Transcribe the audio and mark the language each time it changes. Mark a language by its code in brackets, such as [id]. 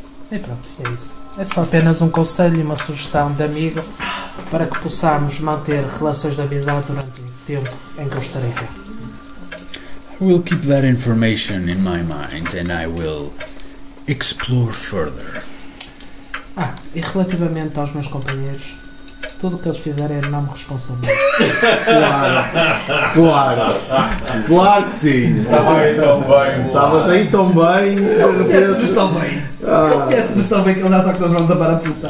[pt] E pronto, é isso. É só apenas um conselho e uma sugestão de amigo para que possamos manter relações de amizade durante o tempo em Costa Rica. [en] I will keep that information in my mind and I will explore further. [pt] Ah, e relativamente aos meus companheiros, tudo o que eles fizerem é não me responsabilizar. Claro! Claro que sim! Estavas aí tão bem! Conhece-nos tão bem! Conhece-nos tão bem que ele já sabe que nós vamos a parar a puta!